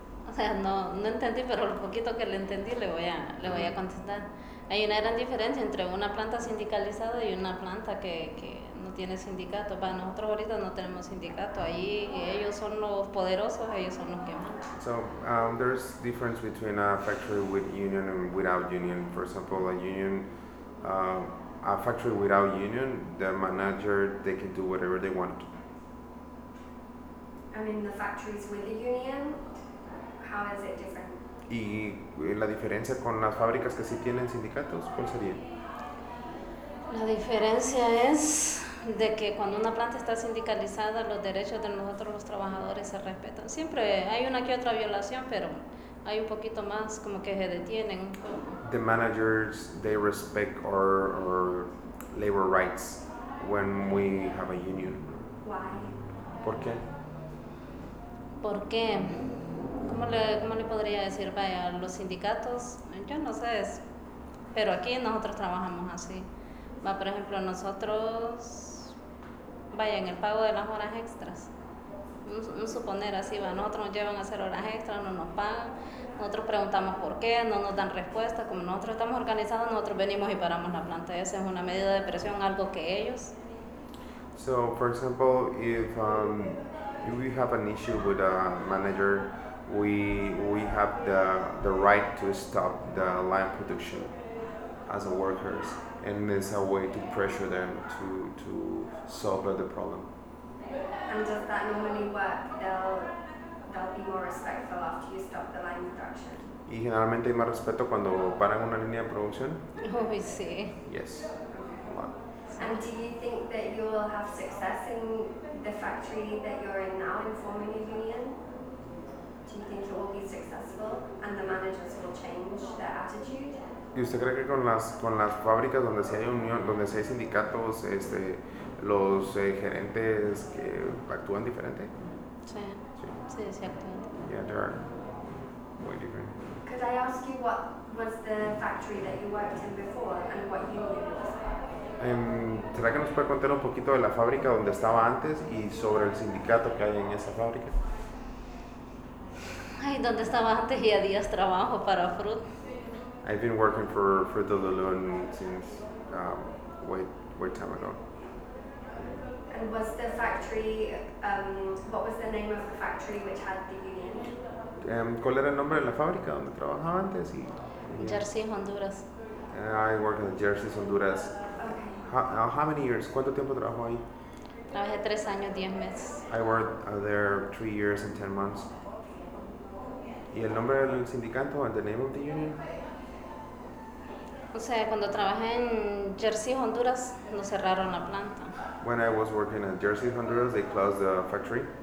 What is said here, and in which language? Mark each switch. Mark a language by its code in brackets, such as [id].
[es] O sea, no entendí, pero lo poquito que le entendí le voy a contestar. Hay una gran diferencia entre una planta sindicalizada y una planta que no tiene sindicato. Para nosotros ahorita no tenemos sindicato. Ahí ellos son los poderosos, ellos son los que mandan. [en] So there's difference between a factory with union and without union. For example, a union, a factory without union, the manager, they can do whatever they want. I mean, the factories with the union, how is it different? [es] La diferencia es de que cuando una planta está sindicalizada, los derechos de nosotros los trabajadores se respetan. Siempre hay una que otra violación, pero hay un poquito más como que se detienen. [en] The managers, they respect our labor rights when we have a union. Why? [es] ¿Por qué? ¿Por qué? ¿Cómo le podría decir, vaya, los sindicatos? Yo no sé eso. Pero aquí nosotros trabajamos así. Va, por ejemplo, nosotros, vaya, en el pago de las horas extras. Un suponer así, va, nosotros nos llevan a hacer horas extras, no nos pagan. Nosotros preguntamos por qué, no nos dan respuesta. Como nosotros estamos organizados, nosotros venimos y paramos la planta. Esa es una medida de presión, algo que ellos. [en] So, for example, if we have an issue with a manager, we have the right to stop the lime production as a workers, and it's a way to pressure them to solve the problem. And does that normally work? They'll be more respectful after you stop the lime production. [es] Y generalmente hay más respeto cuando paran una línea de producción. [en] Oh, I see. Yes. And do you think that you will have success in the factory that you're in now in forming a union? Do you think it will be successful and the managers will change their attitude? [es] ¿Y usted cree que con las fábricas donde sí hay unión, donde sí hay sindicatos, los gerentes que actúan diferente? Sí, sí, actúan. [en] Yeah, they're way different. Could I ask you what was the factory that you worked in before and what union was? [es] ¿Será que nos puede contar un poquito de la fábrica donde estaba antes y sobre el sindicato que hay en esa fábrica? Ay, donde estaba antes y a días trabajo para Fruit. [en] I've been working for Fruit of the Loom since way time ago. And was the factory, what was the name of the factory which had the union? [es] ¿Cuál era el nombre de la fábrica donde trabajaba antes y? Jersey, Honduras. [en] I worked in Jersey, Honduras. How many years? [es] ¿Cuánto tiempo trabajó ahí? Trabajé 3 años, 10 meses. [en] I worked there 3 years and 10 months. [es] ¿Y el nombre del sindicato, [en] and the name of the union? [es] O sea, cuando trabajé en Jersey, Honduras, nos cerraron la planta. [en] When I was working in Jersey, Honduras, they closed the factory.